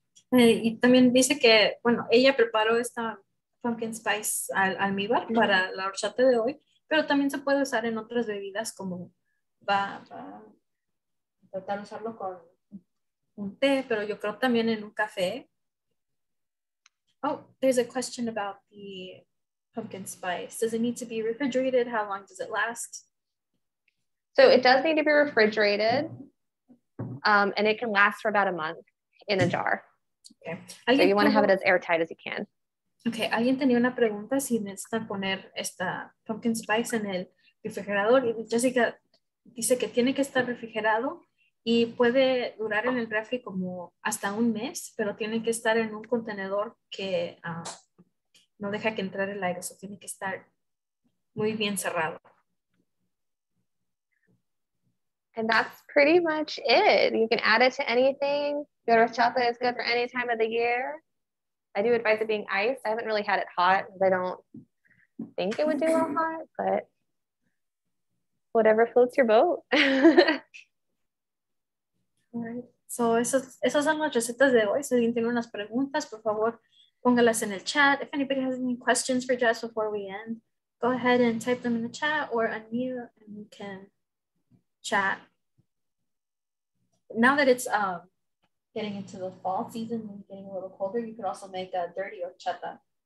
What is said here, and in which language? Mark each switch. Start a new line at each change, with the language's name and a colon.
Spanish: Y también dice que, bueno, ella preparó esta pumpkin spice al almíbar para la horchata de hoy, pero también se puede usar en otras bebidas como va tratar de usarlo con un té, pero yo creo también en un café.
English: Oh, there's a question about the pumpkin spice. Does it need to be refrigerated? How long does it last? So it does need to be refrigerated, and it can last for about a month in a jar. Okay. So you want to have it as airtight as you can. Okay.
Spanish: Alguien tenía una pregunta si necesitan poner esta pumpkin spice en el refrigerador. Y Jessica dice que tiene que estar refrigerado y puede durar en el refri como hasta un mes, pero tiene que estar en un contenedor que no deja que entrar el aire. So tiene que estar muy bien cerrado.
English: And that's pretty much it. You can add it to anything. Your horchata is good for any time of the year. I do advise it being iced. I haven't really had it hot because I don't think it would do well hot, but whatever floats your boat. All right.
Spanish: So esas son las recetas de hoy. Si alguien tiene unas preguntas, por favor, póngalas en el chat.
English: If anybody has any questions for Jess before we end, go ahead and type them in the chat or unmute and you can chat. Now that it's getting into the fall season and getting a little colder, you could also make a dirty horchata.